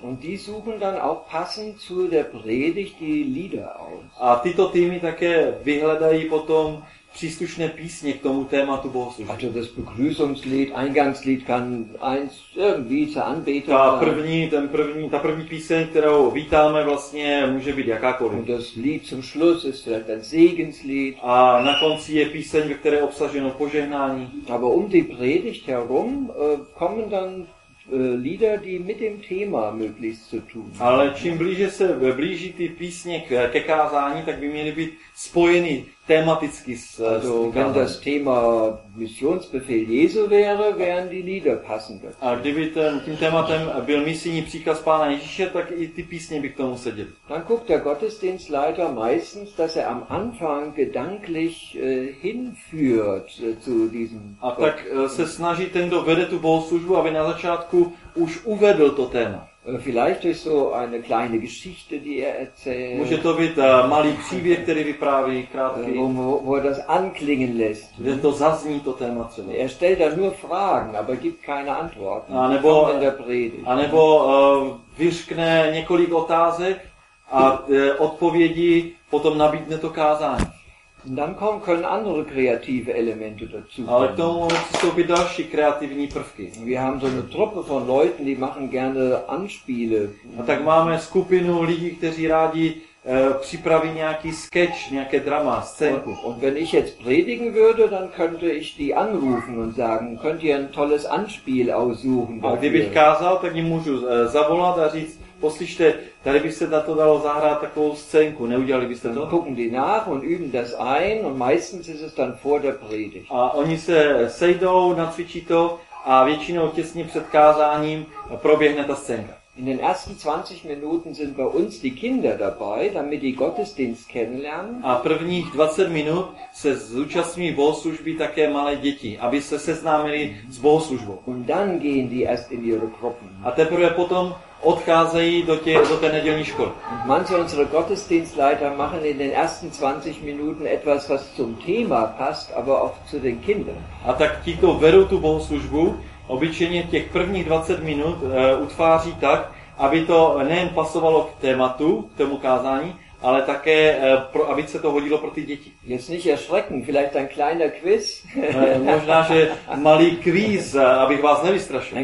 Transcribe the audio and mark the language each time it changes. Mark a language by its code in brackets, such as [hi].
[de] Und die suchen dann auch passend zu der Predigt die Lieder aus. [cs] A tyto týmy také vyhledají potom příslušné písně k tomu tématu bohoslužby. [de] Also das Begrüßungslied, Eingangslied kann eins irgendwie zur Anbetung. [cs] Ta první píseň, kterou vítáme, vlastně může být jakákoliv. [de] Und das Lied zum Schluss ist vielleicht ein Segenslied. [cs] A na konci je píseň, ve které obsaženo požehnání. [de] Aber um die Predigt herum kommen dann Lieder, die mit dem Thema möglichst zu tun. [cs] Ale čím blíže se blíží ty písně ke kázání, tak by měly být spojeny tematicky s [de] also, wenn das Thema Missionsbefehl Jesu wäre, wären die Lieder passend. [cs] A kdyby tím tématem byl misijní příkaz Pána Ježíše, tak i ty písně by k tomu seděly. [de] Dann guckt der Gottesdienstleiter meistens, dass er am Anfang gedanklich hinführt zu diesem. [cs] A tak se snaží ten, kdo vede tu bohoslužbu, aby na začátku už uvedl to téma. [de] Vielleicht ist so eine kleine Geschichte, die er erzählt. [cs] Může to být malý příběh, který vypráví krátký. [de] Wo er das anklingen lässt. [cs] Kde to zazní, to téma celé. [de] Er stellt da nur Fragen, aber gibt keine Antworten. [cs] A nebo [de] in der Predigt. [cs] A nebo vyřkne několik otázek a odpovědi potom nabídne to kázání. [de] Und dann kommen können andere kreative Elemente dazu. [cs] Ale k tomu musí to být další kreativní prvky. [de] Wir haben so eine Truppe von Leuten, die machen gerne Anspiele. [cs] A tak máme skupinu lidí, kteří rádi připraví nějaký sketch, nějaké drama, scénku. [de] Und wenn ich jetzt predigen würde, dann könnte ich die anrufen und sagen, könnt ihr ein tolles Anspiel aussuchen? [cs] A kdybych kázal, tak jim můžu zavolat a říct, poslyšte, tady by se na to dalo zahrát takovou scénku, neudělali byste to? [de] Gucken die nach und üben das ein und meistens ist es dann vor der Predigt. [cs] A oni se sejdou, nacvičí to a většinou těsně před kázáním proběhne ta scénka. [de] In den ersten 20 Minuten sind bei uns die Kinder dabei, damit die Gottesdienst kennenlernen. [cs] A prvních 20 minut se zúčastní bohoslužby také malé děti, aby se seznámili s bohoslužbou. [de] Und dann gehen die erst in ihre Gruppen. [cs] A teprve potom odcházejí do té nedělní školy. [de] Manche unsere Gottesdienstleiter machen in den ersten 20 Minuten etwas, was zum Thema passt, aber auch zu den Kindern. [cs] A tak ti, kdo vedou tu bohoslužbu, obyčejně těch prvních 20 minut utváří tak, aby to nejen pasovalo k tématu, k tomu kázání, ale také, aby se to hodilo pro ty děti. [de] Jetzt nicht erschrecken, vielleicht ein kleiner Quiz. [cs] Možná, že malý kvíz, abych vás nevystrašil.